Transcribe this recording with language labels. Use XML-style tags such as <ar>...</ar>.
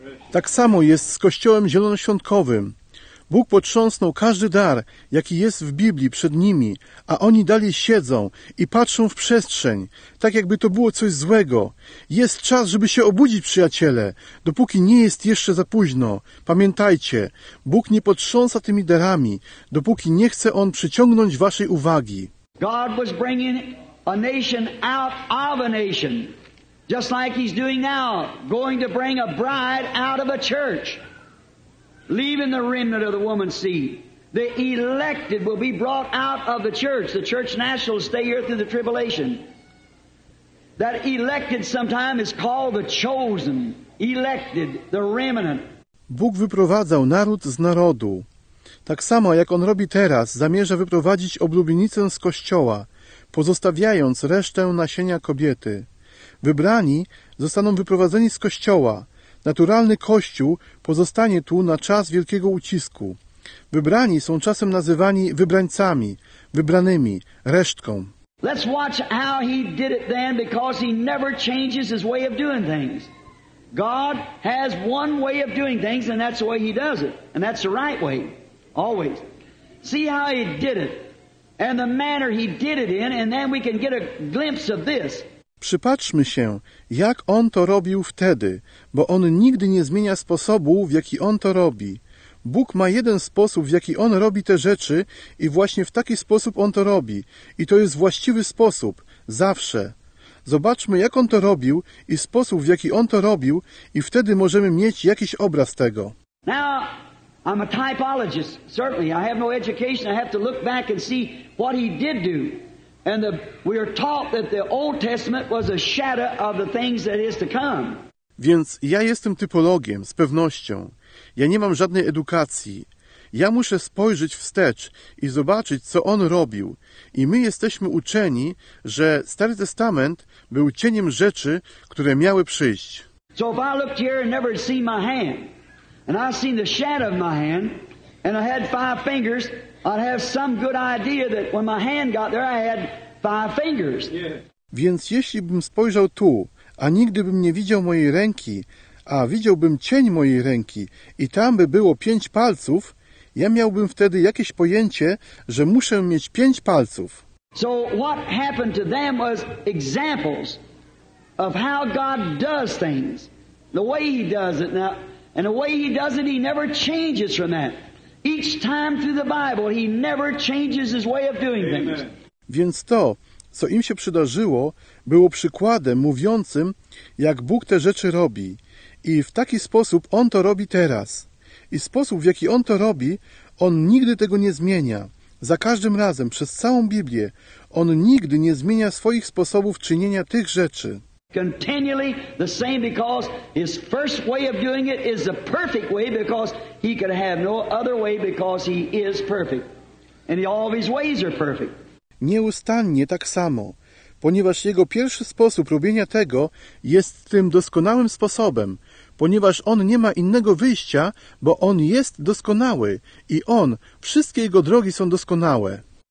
<pl>Tak samo jest z Kościołem Zielonoświątkowym. Bóg potrząsnął każdy dar, jaki jest w Biblii przed nimi, a oni dalej siedzą i patrzą w przestrzeń, tak jakby to było coś złego. Jest czas, żeby się obudzić, przyjaciele, dopóki nie jest jeszcze za późno. Pamiętajcie, Bóg nie potrząsa tymi darami, dopóki nie chce On przyciągnąć waszej uwagi.</pl> <en>God was bringing a nation out of a nation, just like he's doing now, going to bring a bride out of a church. Leaving the remnant of the woman's seed. The elected will be brought out of the church. The church national will stay here through the tribulation. That elected sometime is called the chosen. Elected, the remnant.</en> <pl>Bóg wyprowadzał naród z narodu. Tak samo jak On robi teraz, zamierza wyprowadzić oblubienicę z Kościoła, pozostawiając resztę nasienia kobiety. Wybrani zostaną wyprowadzeni z Kościoła. Naturalny Kościół pozostanie tu na czas wielkiego ucisku. Wybrani są czasem nazywani wybrańcami, wybranymi, resztką.</pl> <en>Let's watch how he did it then, because he never changes his way of doing things. God has one way of doing things, and that's the way He does it. And that's the right way, always. See how He did it, and the manner He did it in, and then we can get a glimpse of this.</en> <pl>Przypatrzmy się, jak On to robił wtedy, bo On nigdy nie zmienia sposobu, w jaki On to robi. Bóg ma jeden sposób, w jaki On robi te rzeczy i właśnie w taki sposób On to robi. I to jest właściwy sposób, zawsze. Zobaczmy, jak On to robił i sposób, w jaki On to robił i wtedy możemy mieć jakiś obraz tego.</pl> <en>Now, I'm a typologist, certainly. I have no education. I have to look back and see what He did do. And the, we are taught that the Old Testament was a shadow of the things that is to come.</en> <pl>Więc ja jestem typologiem, z pewnością. Ja nie mam żadnej edukacji. Ja muszę spojrzeć wstecz i zobaczyć, co On robił. I my jesteśmy uczeni, że Stary Testament był cieniem rzeczy, które miały przyjść.</pl> <en>So if I looked here and never seen my hand, and I seen the shadow of my hand, and I had five fingers, I'd have some good idea that when my hand got there, I had five fingers. Yeah.</en> <pl>Więc jeśli bym spojrzał tu, a nigdy bym nie widział mojej ręki, a widziałbym cień mojej ręki i tam by było pięć palców, ja miałbym wtedy jakieś pojęcie, że muszę mieć pięć palców.</pl> <en>So what happened to them was examples of how God does things, the way He does it now, and the way He does it, He never changes from that. Each time through the Bible, He never changes His way of doing things.</en> <pl>Więc to, co im się przydarzyło, było przykładem mówiącym, jak Bóg te rzeczy robi. I w taki sposób On to robi teraz. I sposób, w jaki On to robi, On nigdy tego nie zmienia. Za każdym razem, przez całą Biblię, On nigdy nie zmienia swoich sposobów czynienia tych rzeczy.</pl> <en>Continually the same because His first way of doing it is the perfect way because He could have no other way because He is perfect. And all of His ways are perfect.</en> <pl>Nieustannie tak samo, ponieważ Jego pierwszy sposób robienia tego jest tym doskonałym sposobem, ponieważ On nie ma innego wyjścia, bo On jest doskonały i On, wszystkie Jego drogi są doskonałe.</pl>